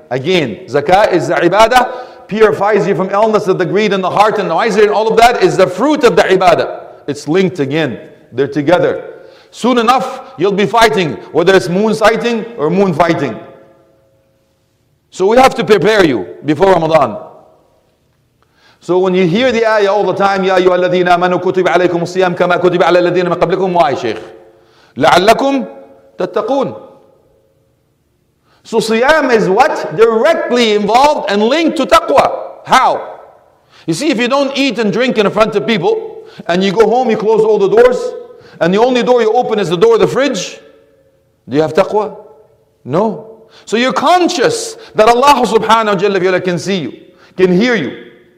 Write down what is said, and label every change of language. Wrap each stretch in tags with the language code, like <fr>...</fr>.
<en>Again, zakah is the ibadah. Purifies you from illness of the greed and the heart and the miser and all of that is the fruit of the ibadah. It's linked again. They're together. Soon enough, you'll be fighting, whether it's moon sighting or moon fighting. So we have to prepare you before Ramadan. So when you hear the ayah all the time,</en> <ar>يَا أَيُّهَا الَّذِينَ آمَنُوا كُتِبَ عَلَيْكُمُ الصِّيَامُ كَمَا كُتِبَ عَلَى الَّذِينَ مِنْ قَبْلِكُمْ وَاي شَيْخ لَعَلَّكُمْ تَتَّقُونَ.</ar> <en>So siyam is what? Directly involved and linked to taqwa. How? You see, if you don't eat and drink in front of people, and you go home, you close all the doors, and the only door you open is the door of the fridge, do you have taqwa? No. So you're conscious that Allah subhanahu wa jalla fiyala can see you, can hear you.</en>